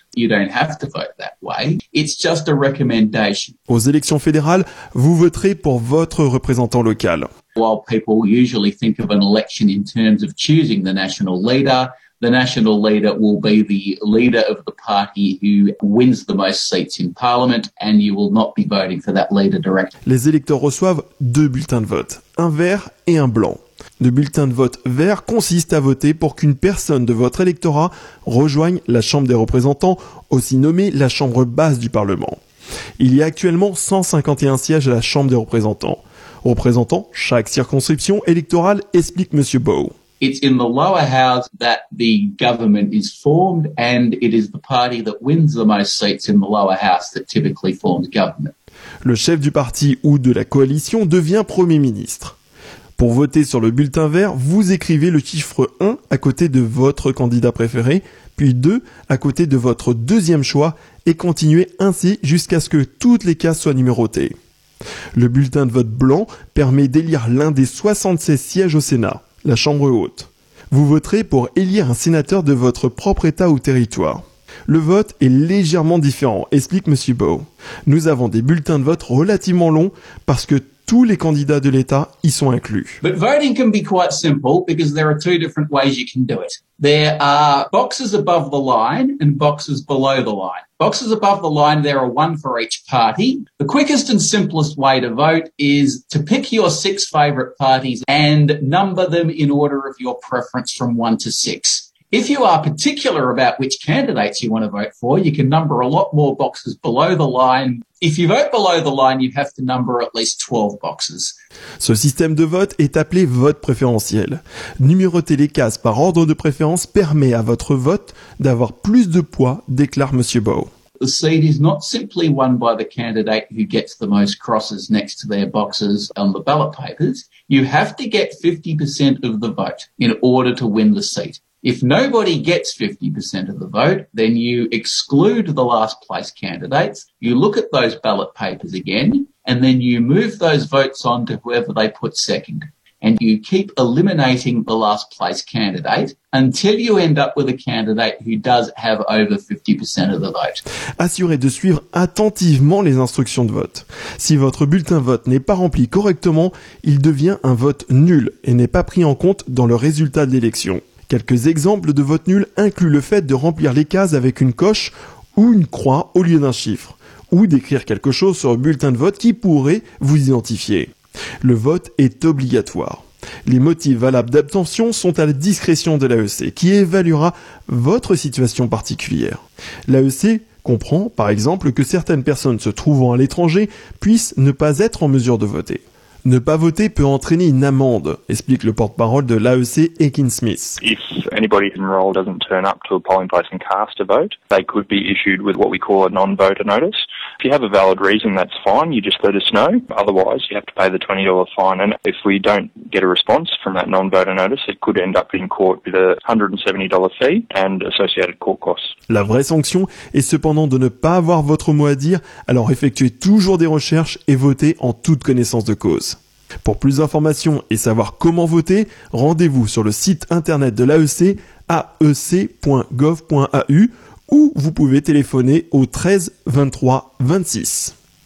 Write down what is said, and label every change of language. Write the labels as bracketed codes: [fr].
[en] You don't have to vote that way. It's just a recommendation. [fr] Aux élections fédérales, vous voterez pour votre représentant local. [en] While people usually think of an election in terms of choosing the national leader will be the leader of the party who wins the most seats in parliament and you will not be voting for that leader directly. [fr] Les électeurs reçoivent deux bulletins de vote, un vert et un blanc. Le bulletin de vote vert consiste à voter pour qu'une personne de votre électorat rejoigne la Chambre des représentants, aussi nommée la Chambre basse du Parlement. Il y a actuellement 151 sièges à la Chambre des représentants. Représentant chaque circonscription électorale, explique Monsieur Bowe. [en] It's in the lower house that the government is formed and it is the party that wins the most seats in the lower house that typically forms government. [fr] Le chef du parti ou de la coalition devient Premier ministre. Pour voter sur le bulletin vert, vous écrivez le chiffre 1 à côté de votre candidat préféré, puis 2 à côté de votre deuxième choix et continuez ainsi jusqu'à ce que toutes les cases soient numérotées. Le bulletin de vote blanc permet d'élire l'un des 76 sièges au Sénat, la Chambre haute. Vous voterez pour élire un sénateur de votre propre État ou territoire. Le vote est légèrement différent, explique M. Bowe. Nous avons des bulletins de vote relativement longs parce que tous les candidats de l'État y sont inclus. [en] But voting can be quite simple because there are two different ways you can do it. There are boxes above the line and boxes below the line. Boxes above the line, there are one for each party. The quickest and simplest way to vote is to pick your six favorite parties and number them in order of your preference from one to six. If you are particular about which candidates you want to vote for, you can number a lot more boxes below the line. If you vote below the line, you have to number at least 12 boxes. [fr] Ce système de vote est appelé vote préférentiel. Numéroter les cases par ordre de préférence permet à votre vote d'avoir plus de poids, déclare Monsieur Bowe. [en] The seat is not simply won by the candidate who gets the most crosses next to their boxes on the ballot papers. You have to get 50% of the vote in order to win the seat. If nobody gets 50% of the vote, then you exclude the last place candidates, you look at those ballot papers again, and then you move those votes on to whoever they put second. and you keep eliminating the last place candidate until you end up with a candidate who does have over 50% of the vote. [fr] Assurez de suivre attentivement les instructions de vote. Si votre bulletin vote n'est pas rempli correctement, il devient un vote nul et n'est pas pris en compte dans le résultat de l'élection. Quelques exemples de vote nul incluent le fait de remplir les cases avec une coche ou une croix au lieu d'un chiffre, ou d'écrire quelque chose sur le bulletin de vote qui pourrait vous identifier. Le vote est obligatoire. Les motifs valables d'abstention sont à la discrétion de l'AEC, qui évaluera votre situation particulière. L'AEC comprend, par exemple, que certaines personnes se trouvant à l'étranger puissent ne pas être en mesure de voter. Ne pas voter peut entraîner une amende, explique le porte-parole de l'AEC, Akin Smith. [en] If anybody enrolled doesn't turn up to a polling place and cast a vote, they could be issued with what we call a non-voter notice. If you have a valid reason, that's fine, you just let us know. Otherwise, you have to pay the $20 fine, and if we don't get a response from that non-voter notice, it could end up in court with a $170 fee and associated court costs. [fr] La vraie sanction est cependant de ne pas avoir votre mot à dire, alors effectuez toujours des recherches et votez en toute connaissance de cause. Pour plus d'informations et savoir comment voter, rendez-vous sur le site internet de l'AEC, aec.gov.au, ou vous pouvez téléphoner au 13 23 26.